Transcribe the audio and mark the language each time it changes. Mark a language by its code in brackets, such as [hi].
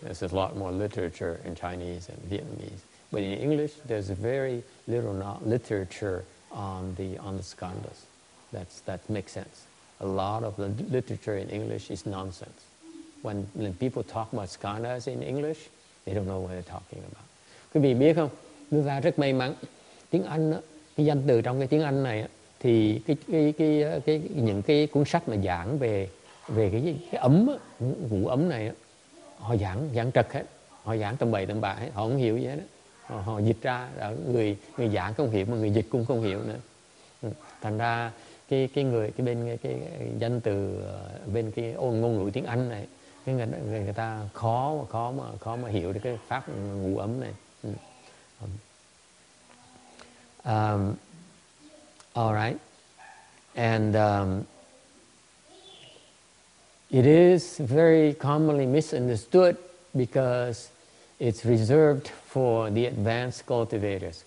[en] There's a lot more literature in Chinese and Vietnamese. But in English, there's very little literature on the skandhas. That makes sense. A lot of the literature in English is nonsense. When people talk about skandhas in English, they don't know what they're talking about. [vi] Quý vị biết không? Chúng ta rất may mắn. Tiếng Anh á, cái danh từ trong cái tiếng Anh này á, thì cái những cái cuốn sách mà giảng về cái ấm á, ngũ ấm này á, họ giảng trật hết. Họ giảng tầm bậy tầm bạ hết. Họ không hiểu gì hết. Họ dịch ra. Người giảng không hiểu mà người dịch cũng không hiểu nữa. Thành ra cái người cái bên cái danh từ bên cái ngôn ngữ tiếng Anh này cái người ta khó mà hiểu được cái pháp ngũ ấm này. [en] All right, and it is very commonly misunderstood because it's reserved for the advanced cultivators.